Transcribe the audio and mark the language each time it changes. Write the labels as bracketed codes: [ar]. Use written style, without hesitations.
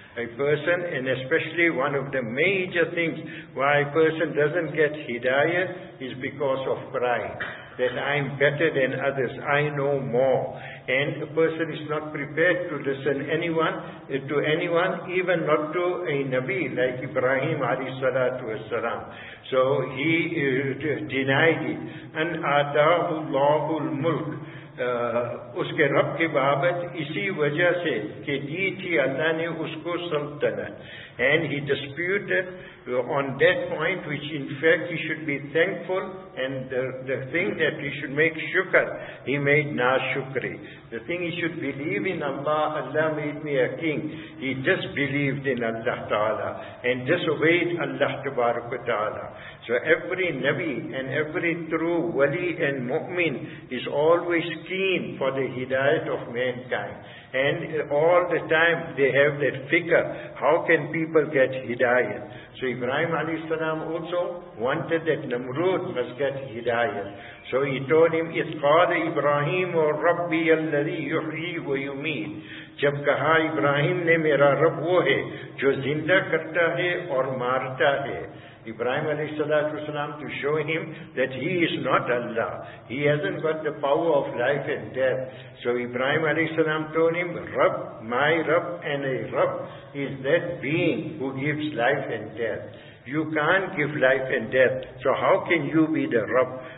[en] A person, and especially one of the major things why a person doesn't get Hidayat is because of pride, that I am better than others, I know more. And a person is not prepared to listen to anyone, even not to a Nabi like Ibrahim alayhi salatu wasalam. So he denied it. And [ar] Atahu Allahul Mulk. [ur] اس کے رب کے بابت اسی وجہ سے کہ دی تھی اللہ نے اس کو سلطنت. [en] And he disputed on that point, which in fact he should be thankful, and the thing that he should make shukr, he made na shukri. The thing he should believe in Allah, Allah made me a king. He disbelieved in Allah Ta'ala and disobeyed Allah Tabarak wa Ta'ala. So every Nabi and every true wali and mu'min is always keen for the hidayat of mankind. And all the time they have that fikr, how can people get hidayat? So Ibrahim alayhi salam also wanted that Namrud must get hidayat. So he told him, [ar] إِذْ قَالَ إِبْرَاهِيمُ رَبِّيَ الَّذِي يُحْيِي وَيُمِيتُ. [ur] جب کہا ابراہیم نے میرا رب وہ ہے جو زندہ کرتا ہے اور مارتا ہے. [en] Ibrahim alayhi salam to show him that he is not Allah. He hasn't got the power of life and death. So Ibrahim alayhi salam told him, Rabb, my Rabb and a Rabb is that being who gives life and death. You can't give life and death. So how can you be the Rabb?